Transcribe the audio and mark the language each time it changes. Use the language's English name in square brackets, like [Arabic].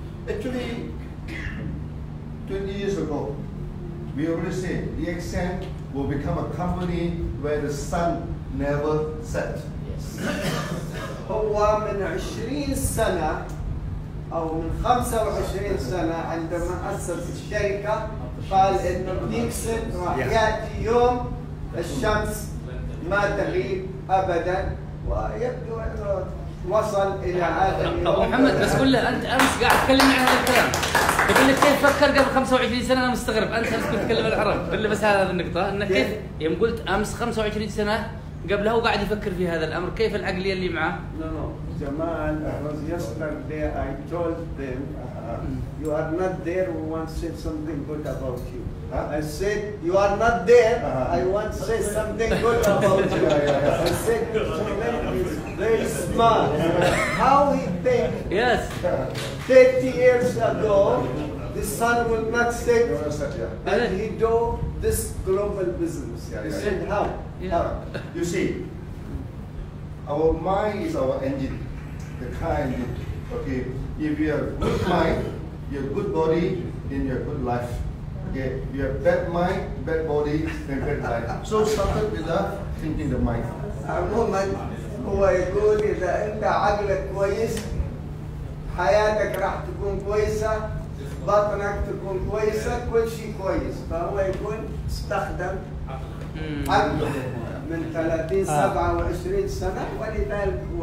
[English] Actually, 20 years ago, we already said the XN will become a company where the sun never set. [Arabic] هو من 20 سنة أو من 25 سنة عندما أسس الشركة قال إن ديكسل راح يأتي يوم الشمس ما تغيب أبدا، ويبدو أنه وصل إلى هذا. محمد بس قل له أنت أمس قاعد تكلم عن هذا الكلام. بقول لك كيف فكر قبل 25 سنة؟ أنا مستغرب، أنت كنت تتكلم العرب. بقول بس هذه النقطة، إن كيف يوم قلت أمس 25 سنة قبلها وقاعد يفكر في هذا الأمر، كيف العقلية اللي معه؟ [English] No. [Arabic] جمال [English] was yesterday I told them you are not there. We want to say something good about you. I said you are not there. I want to say something good about you. I said Jamal is very smart. How he think? Yes. 30 years ago, the sun will not set, and he do this global business. He said how? Yeah. You see, our mind is our engine. The kind, okay. If you have good mind, you have good body, then you have good life. Okay. If you have bad mind, bad body, then bad life. So started with the thinking the mind. [Arabic] عموماً هو يقول إذا أنت عقلك كويس، حياتك راح تكون كويسة، بطنك تكون كويسة، كل شيء كويس. فهو يقول استخدم عقلك من 30 27 سنة ولذلك هو.